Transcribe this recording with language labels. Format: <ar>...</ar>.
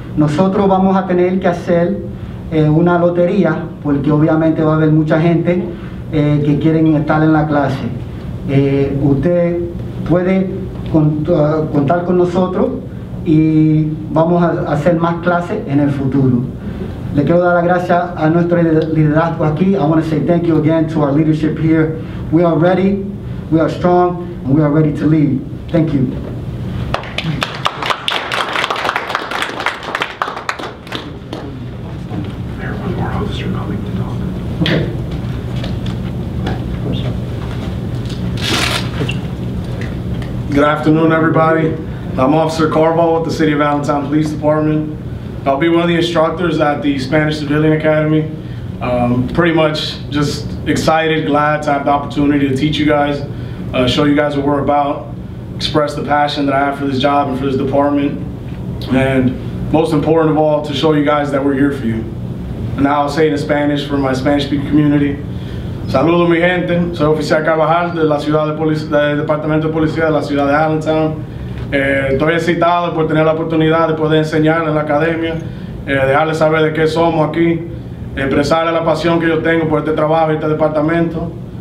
<es>Nosotros vamos a tener que hacer una lotería, porque obviamente va a haber mucha gente que quieren estar en la clase. Usted puede contar con nosotros y vamos a hacer más clases en el futuro. Le quiero dar las gracias a nuestro liderazgo aquí.</es> <en>I want to say thank you again to our leadership here. We are ready, we are strong, and we are ready to lead. Thank you. Good afternoon, everybody. I'm Officer Carball with the City of Allentown Police Department. I'll be one of the instructors at the Spanish Civilian Academy. Pretty much just excited, glad to have the opportunity to teach you guys, show you guys what we're about, express the passion that I have for this job and for this department, and most important of all, to show you guys that we're here for you. And now I'll say it in Spanish for my Spanish-speaking community.</en> <es>Saludo mi gente, soy Oficial Carvajal de la Ciudad de Policía, del Departamento de Policía de la Ciudad de Allentown. Estoy excitado por tener la oportunidad de poder enseñar en la academia, dejarles saber de qué somos aquí, expresarles la pasión que yo tengo por este trabajo y este departamento.</es>